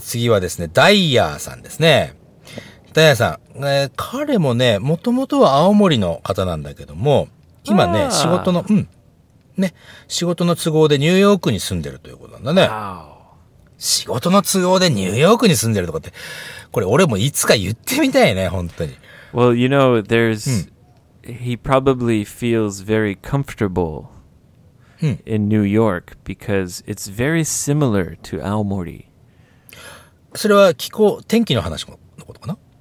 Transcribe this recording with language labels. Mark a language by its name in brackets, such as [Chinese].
[Japanese] 次はですね、ダイヤーさんですね。ダイヤーさん、彼もね、もともとは青森の方なんだけども、今ね、仕事の、ね、仕事の都合でニューヨークに住んでるということなんだね。 [English] Wow. [Japanese] 仕事の都合でニューヨークに住んでるとかって、これ俺もいつか言ってみたいね、本当に。 [English] Well, you know, there's, he probably feels very comfortable in New York because it's very similar to Aomori. [Japanese] それは気候、天気の話のことかな?